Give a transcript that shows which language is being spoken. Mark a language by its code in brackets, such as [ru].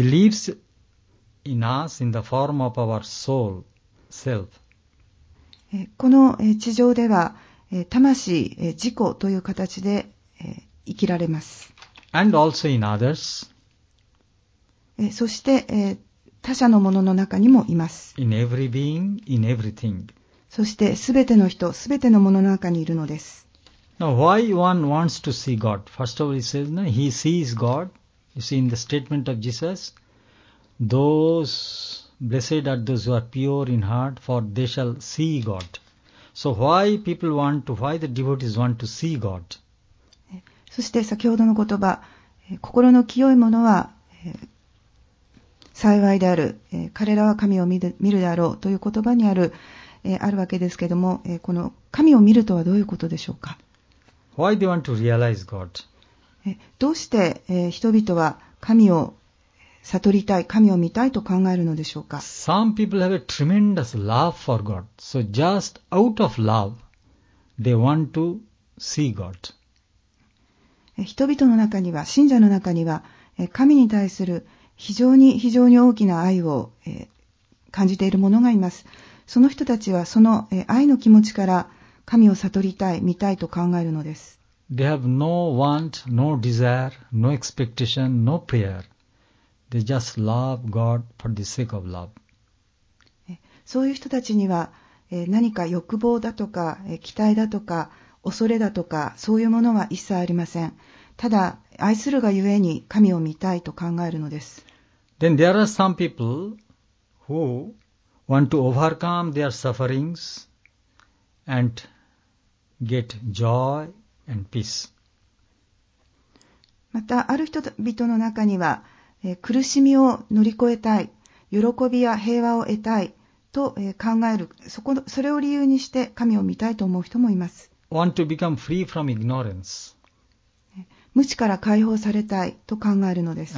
[en] He lives in us in the form of our soul, self. [ja] この地上では、魂、自己という形で生きられます。 [en] And also in others. [ja] そして、他者のものの中にもいます。 [en] In every being, in everything. [ja] そして、すべての人、すべてのものの中にいるのです。 [en] Now, why one wants to see God? First of all, he says, no, he sees God. You see, in the statement of Jesus, those blessed are those who are pure in heart, for they shall see God. So why people want to, why the devotees want to see God? [ja] そして先ほどの言葉、心の清いものは幸いである、彼らは神を見るであろうという言葉にある、あるわけですけれども、この神を見るとはどういうことでしょうか? [en] Why they want to realize God? [ja] どうして人々は神を悟りたい、神を見たいと考えるのでしょうか。 [en] Some people have a tremendous love for God. So just out of love, they want to see God. [ja] 人々の中には、信者の中には、神に対する非常に非常に大きな愛を感じている者がいます。その人たちはその愛の気持ちから神を悟りたい、見たいと考えるのです。 [en] They have no want, no desire, no expectation, no prayer. They just love God for the sake of love. [ja] そういう人たちには何か欲望だとか期待だとか恐れだとかそういうものは一切ありません。ただ愛するがゆえに神を見たいと考えるのです。 [en] Then there are some people who want to overcome their sufferings and get joy. And peace. [ja] またある人々の中には、苦しみを乗り越えたい、喜びや平和を得たいと考える、それを理由にして神を見たいと思う人もいます。 [en] Want to become free from ignorance. [ja] 無知から解放されたいと考えるのです。